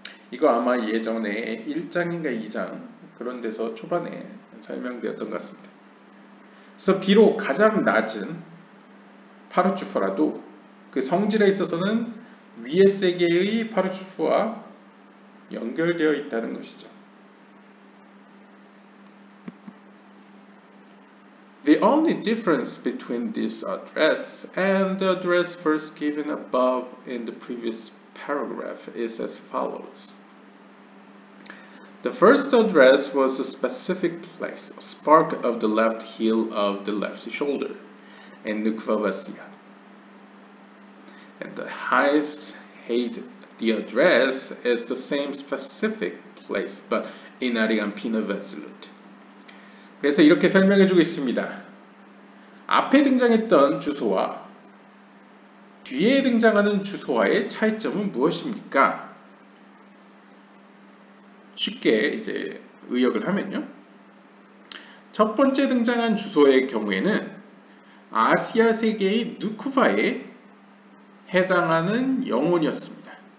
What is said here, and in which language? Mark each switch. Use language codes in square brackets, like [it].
[ko] 이거 아마 예전에 1장인가 2장 그런 데서 초반에 설명되었던 것 같습니다. 그래서 비록 가장 낮은 파르츠프라도 그 성질에 있어서는 위의 세계의 파르츠프와 연결되어 있다는 것이죠. [en] The only difference between this address and the address first given above in the previous paragraph is as follows. The first address was a specific place, a spark of the left heel of the left shoulder, in Nukvavasya. And the highest height, the address is the same specific place, but in Ariampina Vesalut. [ko] 그래서 이렇게 설명해 주고 있습니다. 앞에 등장했던 주소와 뒤에 등장하는 주소와의 차이점은 무엇입니까? 쉽게 이제 의역을 하면요. 첫 번째 등장한 주소의 경우에는 아시아 세계의 누쿠바에 해당하는 영혼이었습니다.